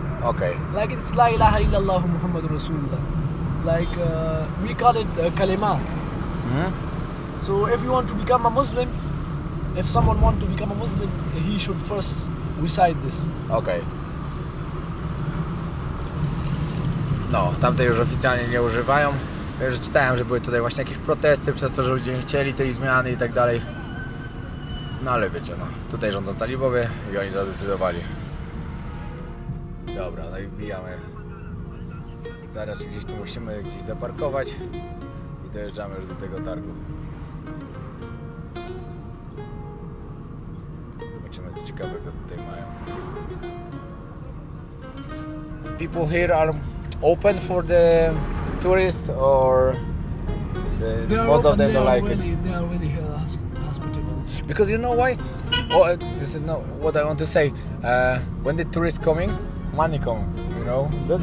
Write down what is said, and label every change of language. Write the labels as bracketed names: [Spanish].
[English] Okay. Like it's [Arabic] La ilaha illallah Muhammad Rasulullah. [English] Like we call it kalima. Mm-hmm. So if you want to become a Muslim, if someone want to become a Muslim, he should first recite this. Okay. [Polish] No, tamte już oficjalnie nie używają. Ja już czytałem, że były tutaj właśnie jakieś protesty, przez co, że ludzie nie chcieli tej zmiany i tak dalej. No ale wiecie, no, tutaj rządzą talibowie i oni zadecydowali. Dobra, no i wbijamy. Zaraz gdzieś tu musimy gdzieś zaparkować i dojeżdżamy już do tego targu. Zobaczymy, co ciekawego tutaj mają. [English] People here are open for the tourists or the most of them don't like really, it? They are really here last. Because you know why? Oh, this is not what I want to say. When the tourists coming, money come. You know, doesn't